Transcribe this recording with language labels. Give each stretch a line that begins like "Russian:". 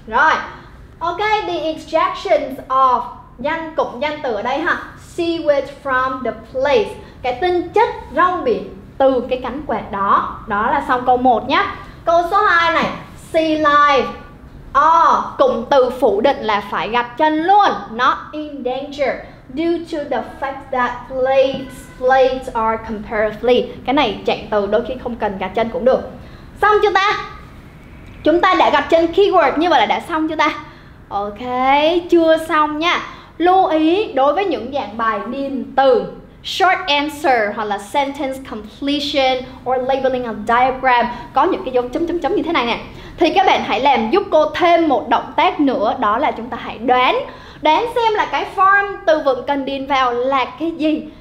Vietnamese: Rồi, ok,
English: the extractions of
Vietnamese: danh cụm danh từ ở đây ha.
English: Seaweed from the place,
Vietnamese: cái tinh chất rong biển từ cái cánh quạt đó. Đó là xong câu 1 nhé. Câu số 2 này, sea life. Cụm từ phủ định là phải gạch chân luôn.
English: Not in danger due to the fact that plates are comparatively.
Vietnamese: Cái này trạng từ đôi khi không cần gạch chân cũng được. Xong chưa ta? Chúng ta đã gạch chân keyword như vậy là đã xong chưa ta? Ok, chưa xong nha. Lưu ý đối với những dạng bài điền từ short answer hoặc là
English: sentence completion or labeling a diagram
Vietnamese: có những cái dấu chấm chấm chấm như thế này nè, thì các bạn hãy làm giúp cô thêm một động tác nữa, đó là chúng ta hãy đoán xem là cái form từ vựng cần điền vào là cái gì.